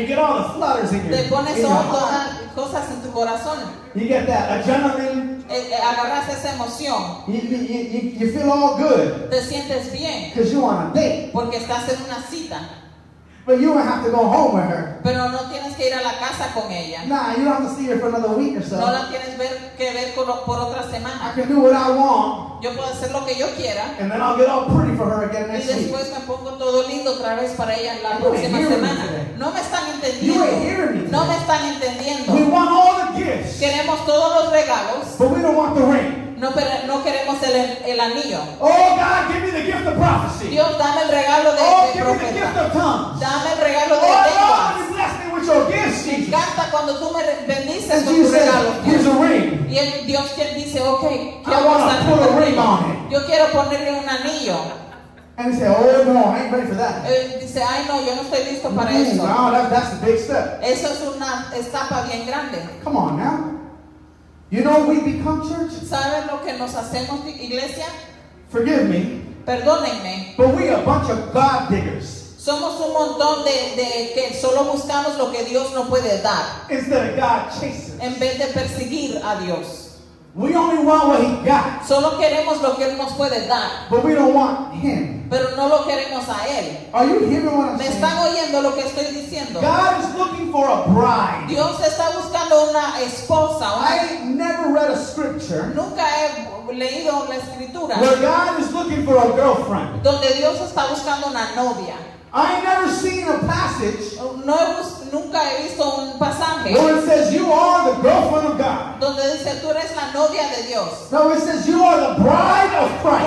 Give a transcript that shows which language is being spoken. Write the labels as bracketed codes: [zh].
[en] You get all the flutters in your heart. [es] Te pones todas cosas en tu corazón. [en] You get that adrenaline. [es] Agarras esa emoción. [en] You feel all good. [es] Te sientes bien. [en] Because you're on a date. [es] Porque estás en una cita. [en] But you don't have to go home with her. [es] Pero no tienes que ir a la casa con ella. [en] Nah, you don't have to see her for another week or so. [es] No la tienes que ver por otra semana. [en] I can do what I want. [es] Yo puedo hacer lo que yo quiera. [en] And then I'll get all pretty for her again next week. [es] Y después [en] week. [es] Me pongo todo lindo otra vez para ella la [en] you [es] próxima semana. No me están entendiendo. [en] You ain't hearing me today. [es] No me están entendiendo. [en] We want all the gifts. [es] Queremos todos los regalos. [en] But we don't want the ring. [es] No, pero no queremos el anillo. [en] Oh, God, give me the gift of prophecy. [es] Dios, dame el regalo de [en] Oh, give me the gift of tongues. [es] Dame el regalo de lenguas. [en] Oh, God, you bless me with your gifts, Jesus. [es] Me encanta cuando tú me bendices [en] and [es] con tu regalo. [en] Here's a ring. [es] Y el Dios quien dice, okay, [en] I want to put a ring on it. [es] Yo quiero ponerle un anillo. [en] And he said, oh, no, I ain't ready for that. [es] Dice, ay, no, yo no estoy listo para eso. [en] Oh, that's a big step. [es] Eso es una etapa bien grande. [en] Come on now. You know we become church? [es] ¿Saben lo que nos hacemos iglesia? [en] Forgive me. [es] Perdónenme. [en] But we are a bunch of God diggers. [es] Somos un montón de que solo buscamos lo que Dios no puede dar. [en] Instead of God chasing. [es] En vez de perseguir a Dios. [en] We only want what he got. [es] Solo queremos lo que él nos puede dar. [en] But we don't want him. [es] Pero no lo queremos a él. [en] Are you hearing what I'm saying? [es] ¿Me están oyendo lo que estoy diciendo? [en] God is looking for a bride. [es] Dios está buscando una esposa. [en] I never read a scripture. [es] Nunca he leído la escritura. [en] Where God is looking for a girlfriend. [es] Donde Dios está buscando una novia. [en] I never seen a passage. [es] No, nunca he visto un pasaje. [en] Where it says you are the girlfriend of God. [es] Donde dice tú eres la novia de Dios. [en] No, it says you are the bride of Christ.